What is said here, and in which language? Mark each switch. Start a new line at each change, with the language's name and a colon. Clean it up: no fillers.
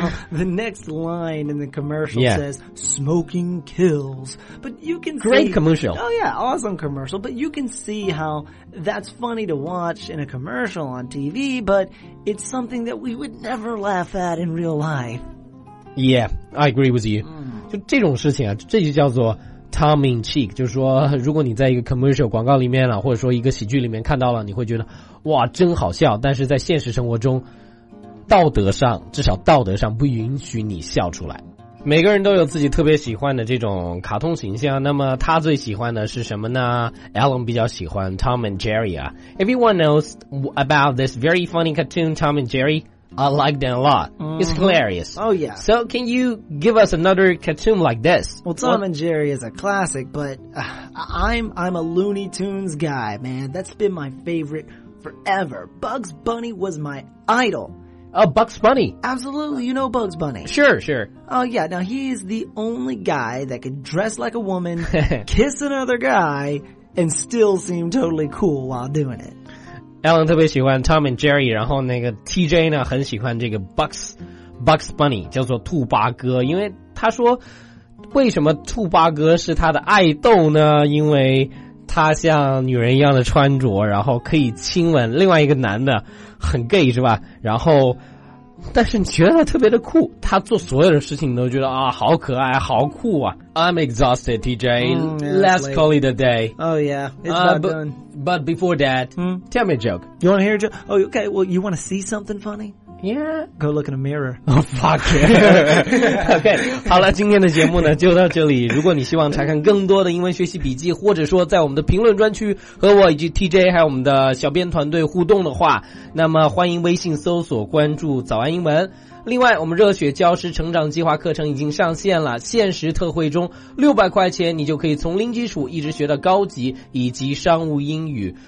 English: The next line in the commercial says, smoking kills, but you can great commercial. Oh yeah, awesome commercial, but you can see how that's funny to watch in a commercial on TV, but it's something that we would never laugh at in real life. Yeah, I agree with you.
Chinese: 就这种事情啊，这就叫做 Tom in Cheek, 就是说如果你在一个 commercial 广告里面了，或者说一个喜剧里面看到了，你会觉得哇真好笑，但是在现实生活中道德上，至少道德上不允许你笑出来。每个人都有自己特别喜欢的这种卡通形象，那么他最喜欢的是什么呢？
English: Alan
Chinese: 比较喜欢
English: Tom and Jerry 啊。 Everyone knows about this very funny cartoon Tom and Jerry. I like them a lot. It's hilarious. Oh, yeah. So, can you give us another cartoon like this? Well, Tom and Jerry is a classic, but I'm a Looney Tunes guy, man. That's been my favorite forever. Bugs Bunny was my idol. Oh, Bugs Bunny. Absolutely. You know Bugs Bunny. Sure, sure. Oh, yeah. Now, he is the only guy that could dress like a woman, kiss another guy, and still seem totally cool while doing it.
Chinese: Alan 特别喜欢 Tom and Jerry, 然后那个 TJ 呢很喜欢这个 Bugs Bunny, 叫做兔八哥，因为他说为什么兔八哥是他的爱豆呢？因为他像女人一样的穿着，然后可以亲吻另外一个男的，很 gay 是吧？然后但是你觉得他特别的酷，他做所有的事情都觉得啊好可爱好酷啊。
English: I'm exhausted, TJ. Let's call it a day. Oh yeah, it's not done. But before that, tell me a joke. You want to hear a joke? Oh, okay, well, you want to see something funny? Yeah. Go look in a mirror. Oh, fuck it.
Chinese: Okay, 好了，今天的节目呢就到这里。如果你希望查看更多的英文学习笔记，或者说在我们的评论专区和我以及 TJ 还有我们的小编团队互动的话，那么欢迎微信搜索关注早安英文。另外，我们热血教师成长计划课程已经上线了，限时特惠中，600块钱你就可以从零基础一直学到高级以及商务英语。